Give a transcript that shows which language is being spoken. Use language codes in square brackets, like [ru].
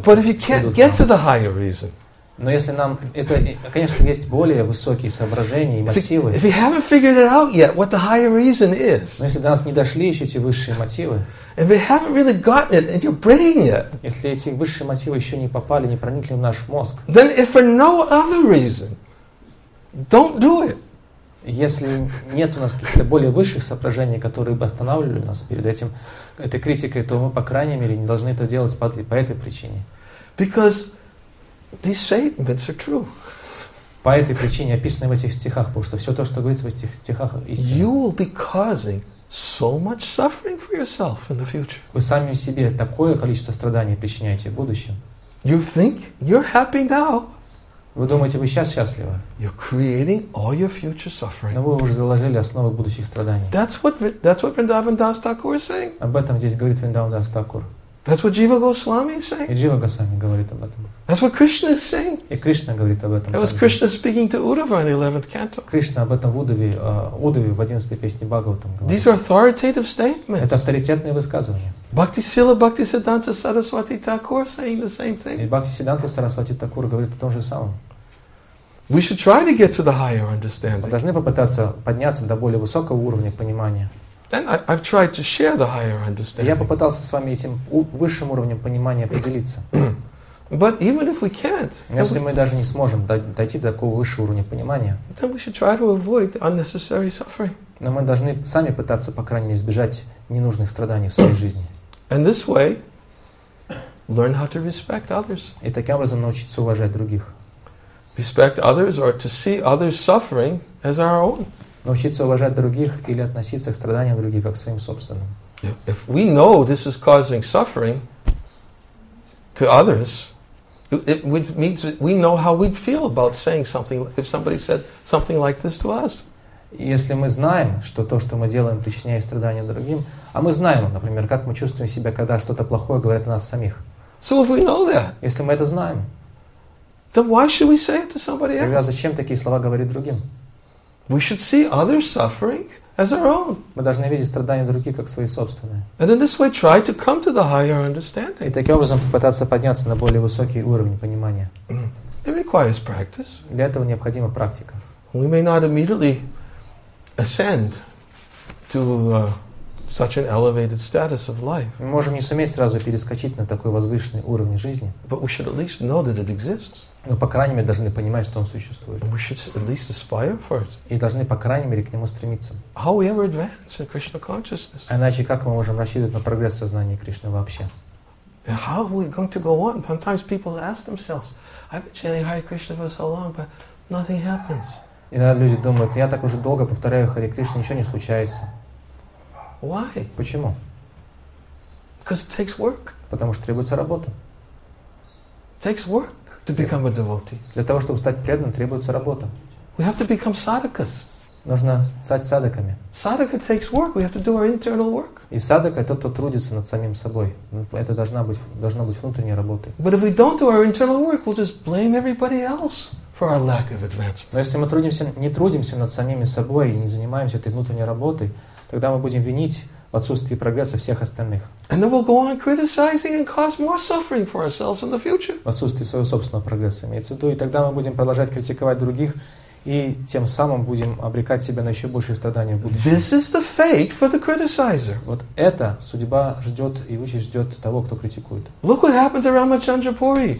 [en] But if you can't get to the higher reason. [ru] Но если нам это, конечно, есть более высокие соображения и мотивы. [en] If you haven't figured it out yet, what the higher reason is. [ru] Но если до нас не дошли еще эти высшие мотивы. [en] If you haven't really gotten it in your brain yet. [ru] Если эти высшие мотивы еще не попали, не проникли в наш мозг. [en] Then if for no other reason, don't do it. [ru] Если нет у нас каких-то более высших соображений, которые бы останавливали нас перед этим, этой критикой, то мы, по крайней мере, не должны это делать по этой причине. [en] Because these statements are true. [ru] По этой причине, описанной в этих стихах, потому что все то, что говорится в этих стихах, истина. [en] You will be causing so much suffering for yourself in the future. [ru] Вы сами себе такое количество страданий причиняете в будущем. [en] You think you're happy now. [ru] Вы думаете, вы сейчас счастливы? [en] You're creating all your future suffering. [ru] Но вы уже заложили основы будущих страданий. [en] That's what Vrindavan Das Thakur is saying. [ru] Об этом здесь говорит Vrindavan Das Thakur. [en] That's what Jiva Goswami is saying. [ru] И Джива Госвами говорит об этом. [en] That's what Krishna is saying. [ru] И Кришна говорит об этом. [en] It was Krishna speaking to Uddhava in the 11th canto. [ru] Кришна об этом в Удаве в 11-й песне Бхагаватам говорит. [en] These are authoritative statements. [ru] Это авторитетные высказывания. [en] Bhaktisila Bhaktisiddhanta Saraswati Thakur saying the same thing. [ru] И Бхактисиддханта Сарасвати Такур говорит о том же самом. [en] We should try to get to the higher understanding. [ru] Мы должны попытаться подняться до более высокого уровня понимания. [en] And I've tried to share the higher understanding. [ru] Я попытался с вами этим высшим уровнем понимания поделиться. [en] But even if we can't, [ru] если мы даже не сможем дойти до такого высшего уровня понимания, [en] then we should try to avoid unnecessary suffering. [ru] Но мы должны сами пытаться, по крайней мере, избежать ненужных страданий в своей жизни. [en] And this way, learn how to respect others. [ru] И таким образом научиться уважать других. [en] Respect others or to see others suffering as our own. [ru] Научиться уважать других или относиться к страданиям других как к своим собственным. [en] If we know this is causing suffering to others, it means we know how we'd feel about saying something if somebody said something like this to us. [ru] Если мы знаем, что то, что мы делаем, причиняет страдания другим, а мы знаем, например, как мы чувствуем себя, когда что-то плохое говорят о нас самих. [en] So if we know that, [ru] если мы это знаем, [en] then why should we say it to somebody else? [ru] Тогда зачем такие слова говорить другим? [en] We should see others suffering as our own. [ru] Мы должны видеть страдания других как свои собственные. [en] And in this way, try to come to the higher understanding. [ru] И таким образом попытаться подняться на более высокий уровень понимания. [en] It requires practice. [ru] Для этого необходима практика. [en] We may not immediately ascend to such an elevated status of life. [ru] Мы можем не суметь сразу перескочить на такой возвышенный уровень жизни. [en] But we should at least know that it exists. [ru] Но по крайней мере должны понимать, что он существует. [en] We should at least aspire for it. [ru] И должны по крайней мере к нему стремиться. [en] How we ever advance in Krishna consciousness? [ru] Иначе как мы можем рассчитывать на прогресс сознания Кришны вообще? [en] And how are we going to go on? Sometimes people ask themselves, I've been chanting Hare Krishna for so long, but nothing happens. [ru] Иногда люди думают, я так уже долго повторяю Харе Кришна, ничего не случается. [en] Why? [ru] Почему? [en] Because it takes work. [ru] Потому что требуется работа. [en] It takes work to become a devotee. [ru] Для того, чтобы стать преданным, требуется работа. [en] We have to become sadhakas. [ru] Нужно стать садаками. [en] Sadhaka takes work. We have to do our internal work. [ru] И садака — это тот, кто трудится над самим собой. Это должна быть внутренняя работа. [en] But if we don't do our internal work, we'll just blame everybody else. For our lack of advancement. [ru] Но если мы не трудимся над самими собой и не занимаемся этой внутренней работой, тогда мы будем винить в отсутствии прогресса всех остальных. [en] And then we'll go on criticizing and cause more suffering for ourselves in the future. [ru] В отсутствии своего собственного прогресса имеется в виду, и тогда мы будем продолжать критиковать других и тем самым будем обрекать себя на еще большие страдания в будущем. [en] This is the fate for the criticizer. [ru] Вот это судьба ждет и участь ждет того, кто критикует. [en] Look what happened to Ramachandra Puri.